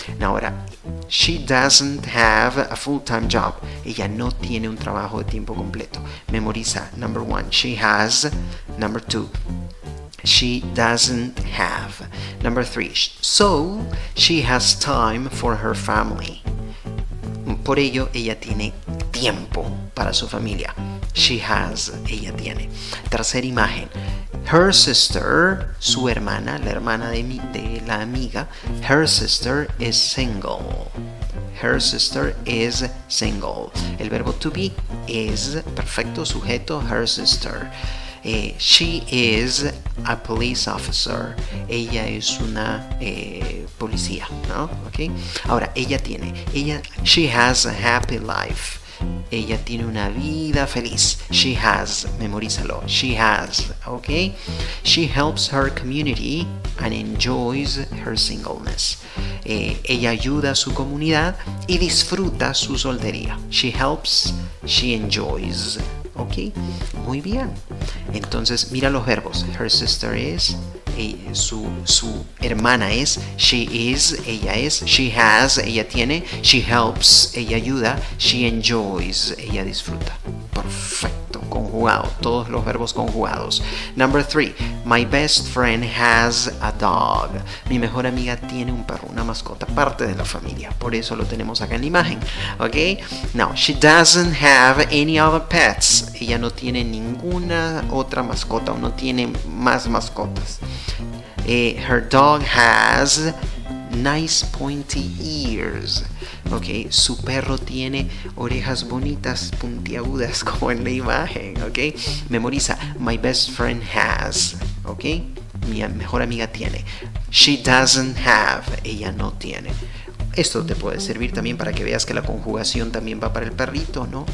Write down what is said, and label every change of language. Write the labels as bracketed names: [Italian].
[English] Ahora, she doesn't have a full-time job. [Spanish] Ella no tiene un trabajo de tiempo completo. [English] Memoriza, number one, she has. Number two, she doesn't have. Number three, so she has time for her family. [Spanish] Por ello, ella tiene tiempo para su familia. [English] She has, [Spanish] ella tiene. Tercera imagen. [English] Her sister, [Spanish] su hermana, la hermana de la amiga. [English] Her sister is single. Her sister is single. [Spanish] El verbo to be es perfecto sujeto, her sister. [English] She is a police officer. [Spanish] Ella es una policía, ¿no? Okay. Ahora, ella tiene. [English] She has a happy life. [Spanish] Ella tiene una vida feliz. [English] She has, memorízalo. She has, ok. She helps her community and enjoys her singleness. [Spanish] Ella ayuda a su comunidad y disfruta su soltería. [English] She helps, she enjoys. Ok, [Spanish] muy bien. Entonces, mira los verbos. [English] Her sister is. [Spanish] Su hermana es, she is, ella es, she has, ella tiene, she helps, ella ayuda, she enjoys, ella disfruta. Perfecto, conjugado, todos los verbos conjugados. [English] Number three, my best friend has a dog. [Spanish] Mi mejor amiga tiene un perro, una mascota, parte de la familia, por eso lo tenemos acá en la imagen. [English] Ok, now, she doesn't have any other pets. [Spanish] Ella no tiene ninguna otra mascota o no tiene más mascotas. [English] Her dog has nice pointy ears. [Spanish] Ok, su perro tiene orejas bonitas, puntiagudas, como en la imagen. [English] Ok, memoriza. My best friend has. Ok, [Spanish] mi mejor amiga tiene. [English] She doesn't have. [Spanish] Ella no tiene. Esto te puede servir también para que veas que la conjugación también va para el perrito, ¿no?